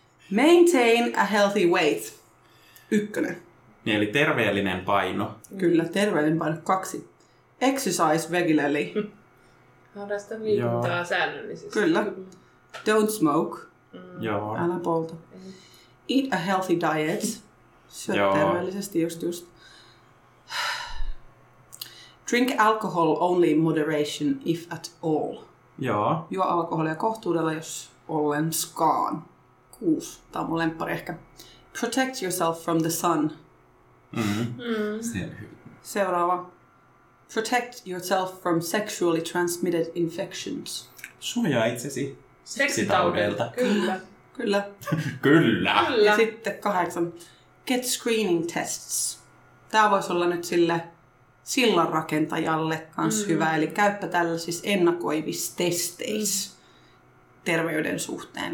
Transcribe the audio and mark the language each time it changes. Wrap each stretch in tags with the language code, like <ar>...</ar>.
<en>Maintain a healthy weight. 1.</en> <fi>Niin, eli terveellinen paino. Kyllä, terveellinen paino.</fi> <en>2. Exercise regularly.</en> <fi>Harrasta viikuntaa säännöllisesti. Kyllä.</fi> <en>Don't smoke.</en> <fi>Joo. Älä polta.</fi> <en>Eat a healthy diet.</en> <fi>Syö terveellisesti just.</fi> <en>Drink alcohol only in moderation, if at all.</en> <fi>Joo. Juo alkoholia kohtuudella, jos ollenkaan. 6. Tämä on mun lemppari ehkä.</fi> <en>Protect yourself from the sun.</en> <fi>Seuraava.</fi> <en>Protect yourself from sexually transmitted infections.</en> <fi>Suojaa itsesi seksitaudeilta. Kyllä. Kyllä. Kyllä. Ja sitten 8.</fi> <en>Get screening tests.</en> <fi>Tämä voisi olla nyt sille sillanrakentajalle kans hyvä. Eli käyppä tällaisissa ennakoivissa testeissä terveyden suhteen.</fi>